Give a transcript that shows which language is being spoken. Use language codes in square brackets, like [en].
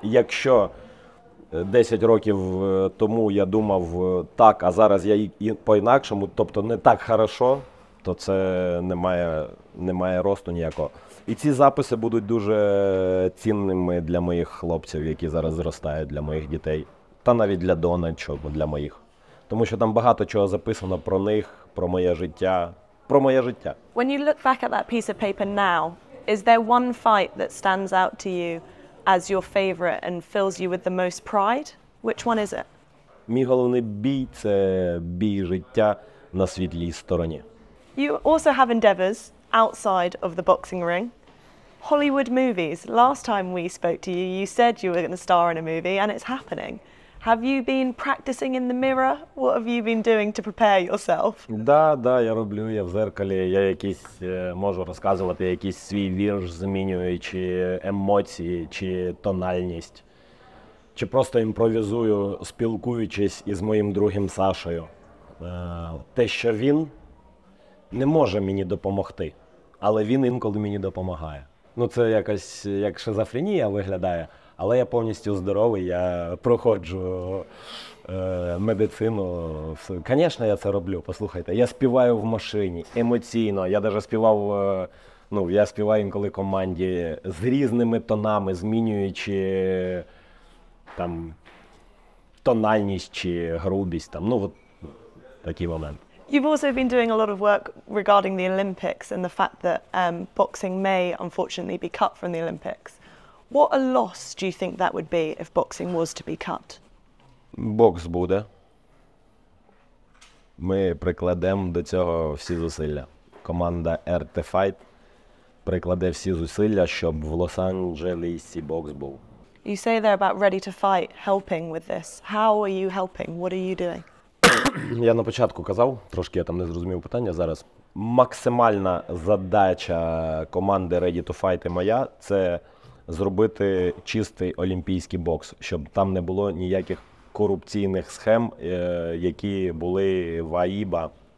[uk] Якщо 10 років тому я думав так, а зараз я по-інакшому, тобто не так хорошо, то це немає росту ніякого. І ці записи будуть дуже цінними для моїх хлопців, які зараз зростають, для моїх дітей, та навіть для Дона, для моїх. Тому що там багато чого записано про них, про моє життя. Про моє життя. [en] When you look back at that piece of paper now, is there one fight that stands out to you as your favorite and fills you with the most pride? Which one is it? [uk] Мій головний бій – це бій життя на світлій стороні. [en] You also have endeavors outside of the boxing ring. Hollywood movies. Last time we spoke to you, you said you were going to star in a movie, and it's happening. Have you been practicing in the mirror? What have you been doing to prepare yourself? [uk] Да, я роблю, я в зеркалі, я якісь можу розказувати якийсь свій вірш, змінюючи емоції чи тональність. Чи просто імпровізую, спілкуючись із моїм другом Сашою. Те, що він не може мені допомогти, але він інколи мені допомагає. Ну це якось як шизофренія виглядає. Але я повністю здоровий, я проходжу медицину. Звісно, я це роблю, послухайте. Я співаю в машині, емоційно. Я навіть співав, я співаю інколи команді з різними тонами, змінюючи там тональність чи грубість. Там. Ну, от такий момент. [en] You've also been doing a lot of work regarding the Olympics and the fact that boxing may, unfortunately, be cut from the Olympics. What a loss do you think that would be if boxing was to be cut? [uk] Бокс буде. Ми прикладемо до цього всі зусилля. Команда RT Fight прикладе всі зусилля, щоб в Лос-Анджелесі бокс був. [en] You say they're about ready to fight, helping with this. How are you helping? What are you doing? [uk] Я на початку казав, трошки я там не зрозумів питання зараз. Максимальна задача команди Ready to Fight і моя – це зробити чистий олімпійський бокс, щоб там не було ніяких корупційних схем, які були в АІБА.